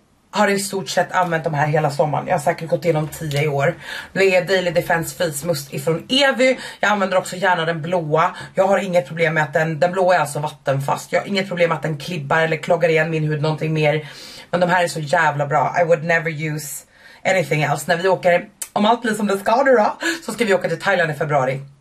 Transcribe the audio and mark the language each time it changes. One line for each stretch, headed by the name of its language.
Swedish: Har i stort sett använt de här hela sommaren. Jag har säkert gått igenom 10 i år. Det är Daily Defense Face Mist ifrån Evy. Jag använder också gärna den blåa. Jag har inget problem med att den blåa är alltså vattenfast. Jag har inget problem med att den klibbar eller kloggar igen min hud någonting mer. Men de här är så jävla bra.
English: I would never use anything else.
Swedish: När vi åker, om allt blir som det ska då, så ska vi åka till Thailand i februari.